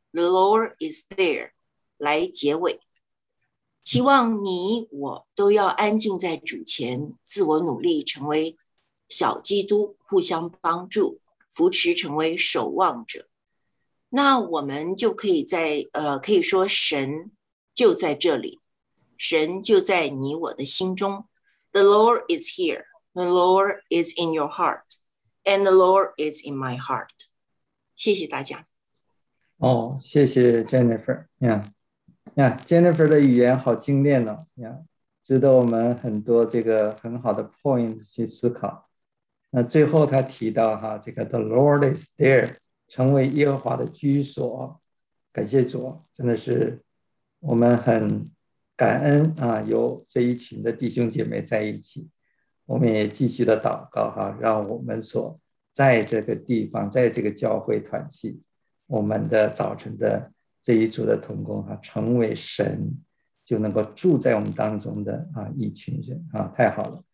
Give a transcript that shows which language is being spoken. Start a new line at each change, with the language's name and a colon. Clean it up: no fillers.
English: The Lord is there
Chinese: 来结尾，期望你我都要安静在主前，自我努力成为小基督，互相帮助扶持，成为守望者。那我们就可以在可以说神就在这里，神就在你我的心中。
English: The Lord is here, The Lord is in your heart, And the Lord is in my heart.
Chinese: 谢谢大家。哦，谢谢 Jennifer， Jennifer 的语言好精炼哦，值得我们很多这个很好的 point 去思考。那最后他提到哈，这个
English: The Lord is there，
Chinese: 成为耶和华的居所，感谢主，真的是我们很感恩啊，有这一群的弟兄姐妹在一起，我们也继续的祷告哈，让我们所在这个地方，在这个教会团契，我们的早晨的这一组的同工啊，成为神就能够住在我们当中的啊一群人啊，太好了。